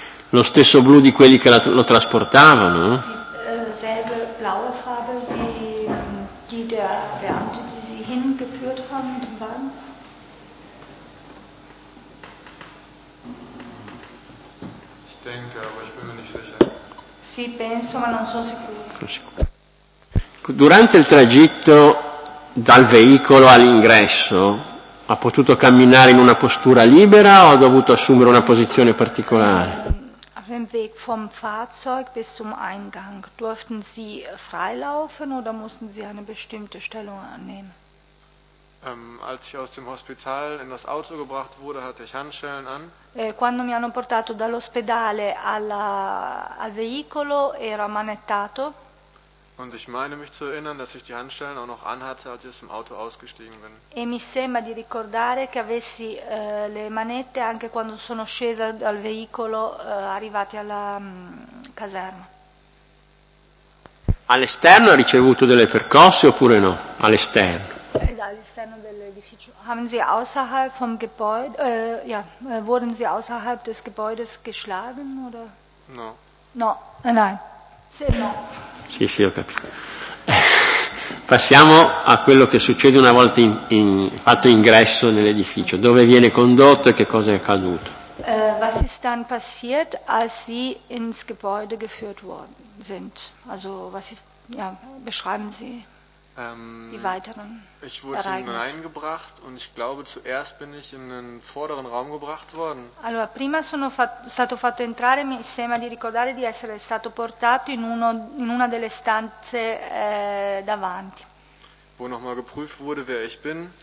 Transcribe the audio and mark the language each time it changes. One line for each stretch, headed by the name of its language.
Italian: Lo stesso blu di quelli che lo trasportavano?
German: Selbe blaue Farbe wie der Beamte, die sie hingeführt haben mit dem Wagen. Ich denke, aber ich bin mir nicht sicher.
Italian: Sì, penso, ma non sono sicuro. Durante il tragitto dal veicolo all'ingresso, ha potuto camminare in una postura libera o ha dovuto assumere una posizione particolare?
German: Auf dem Weg vom Fahrzeug bis zum Eingang durften Sie freilaufen oder mussten Sie eine bestimmte Stellung annehmen? Als ich aus dem Hospital in das Auto gebracht wurde, hatte ich Handschellen an.
Italian: Quando mi hanno portato dall'ospedale al veicolo ero ammanettato.
German: Und ich meine mich zu erinnern, dass ich die Handschellen auch noch anhatte, als ich aus dem Auto ausgestiegen bin.
Italian: E mi sembra di ricordare che avessi le manette anche quando sono scesa dal veicolo arrivati alla caserma. All'esterno ha ricevuto delle percosse oppure no? All'esterno. All'esterno dell'edificio.
German: Haben Sie außerhalb vom Gebäude wurden Sie außerhalb des Gebäudes geschlagen oder?
Italian: No. No,
German: nein.
Italian: Se no. Sì, sì, ho capito. Passiamo a quello che succede una volta fatto ingresso nell'edificio. Dove viene condotto e che cosa è accaduto?
German: Was ist dann passiert, als Sie ins Gebäude geführt worden sind? Also, was ist, beschreiben Sie die weiteren Ereignisse. Ich wurde hineingebracht und ich glaube, zuerst bin ich in den vorderen Raum gebracht worden.
Italian: Allora, prima sono stato fatto entrare, mi sembra di ricordare di essere stato portato in una delle stanze davanti.
German: Wo nochmal geprüft wurde, wer ich bin.